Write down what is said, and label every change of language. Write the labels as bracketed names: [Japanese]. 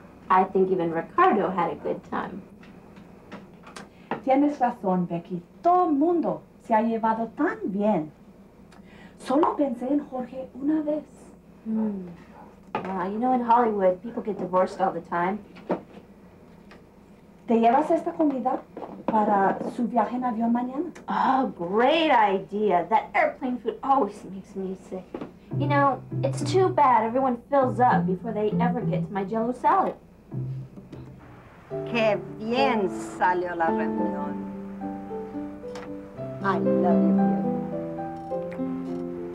[English] I think even Ricardo had a good time. [Spanish] Tienes razón, Becky. Todo el mundo se ha llevado tan bien. Solo pensé en Jorge una vez. [English] Wow, you know, in Hollywood, people get divorced all the time. [Spanish] ¿Te llevas esta comida para su viaje en avión mañana? [English] Oh, great idea. That airplane food always makes me sick. You know, it's too bad everyone fills up before they ever get to my jello salad. [Spanish] Que bien salió la reunión. [English] I love you,